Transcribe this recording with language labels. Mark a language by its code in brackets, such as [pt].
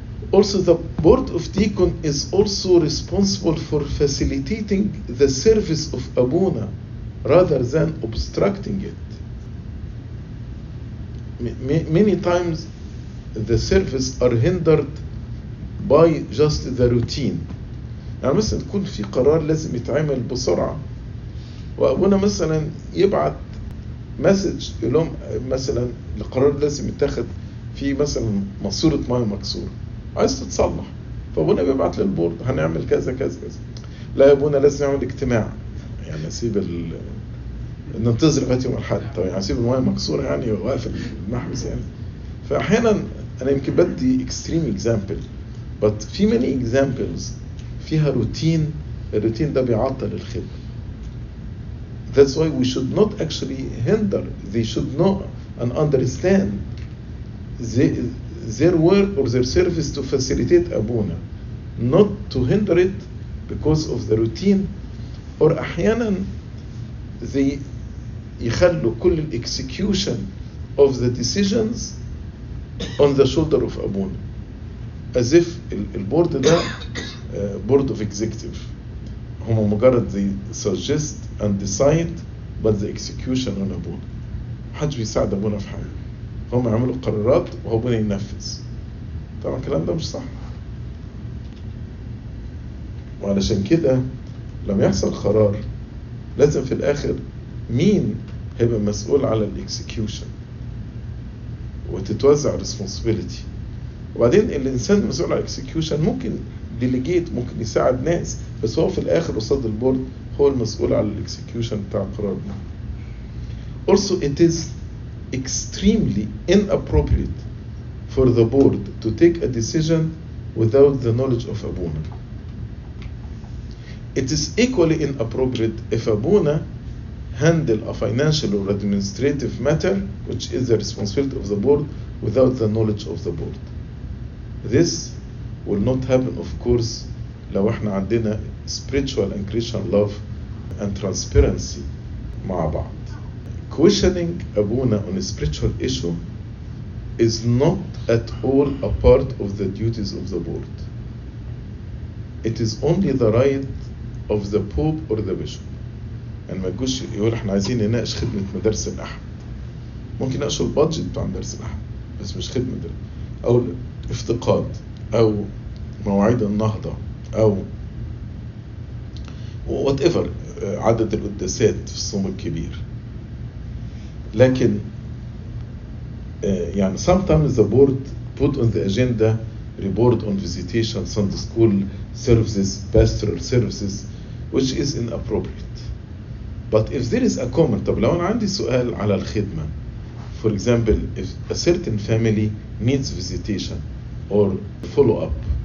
[en] Also, the board of deacon is also responsible for facilitating the service of Abuna rather than obstructing it. Many times the service are hindered by just the routine. [ar] يعني مثلا يكون في قرار لازم يتعمل بسرعة وأبونا مثلا يبعت مسج لهم مثلا القرار لازم يتاخد في مثلا ماسورة ماي مكسورة عايز تتصلح فأبونا بيبعت للبورد هنعمل كذا كذا كذا. لا يا أبونا لازم نعمل اجتماع يعني نسيب ننتظر لغاية يوم الأحد طبعا يعني نسيب الماي مكسورة يعني وقافل المحبس يعني. فأحيانا أنا يمكن بدي [en] extreme example but [ar] في [en] many examples [ar] فيها روتين الروتين ده بيعطل الخدمة. [en] That's why we should not actually hinder. They should know and understand their work or their service to facilitate Abuna, not to hinder it because of the routine. Or [ar] أحيانا [en] they [ar] يخلوا كل [en] execution of the decisions on the shoulder of Abuna, as if [ar] البورد ده [en] board of executive. [ar] هم مجرد [en] they suggest and decide but the execution on Abuna. [ar] حاج بيساعد Abuna في حاجة. هم يعملوا قرارات وهبونا ينفذ. طبعا الكلام ده مش صح. وعلشان كده لما يحصل قرار لازم في الآخر مين هيبقى مسؤول على الإكسكيوشن وتتوزع الريسبونسبيليتي. وبعدين الإنسان مسؤول على الإكسكيوشن ممكن ديليجيت ممكن يساعد ناس بس هو في الآخر قصاد البورد هو المسؤول على الإكسكيوشن بتاع القرار ده. [en] Also it is extremely inappropriate for the board to take a decision without the knowledge of Abuna. It is equally inappropriate if Abuna handle a financial or administrative matter, which is the responsibility of the board, without the knowledge of the board. This will not happen, of course, [ar] لو احنا عندنا [en] spiritual and Christian love and transparency [ar] مع بعض. [en] Questioning Abuna on a spiritual issue is not at all a part of the duties of the board. It is only the right of the Pope or the Bishop. And [ar] ما يقولش يقول احنا عايزين نناقش خدمة مدرس الأحد. ممكن نناقش البادجت بتاع مدرس الأحد بس مش خدمة ده. أو افتقاد أو مواعيد النهضة أو [en] whatever [ar] عدد القداسات في الصوم الكبير. لكن يعني [en] sometimes the board put on the agenda report on visitation, Sunday school services, pastoral services, which is inappropriate. But if there is a comment, [ar] طب لو أنا عندي سؤال على الخدمة, [en] for example, if a certain family needs visitation or follow up,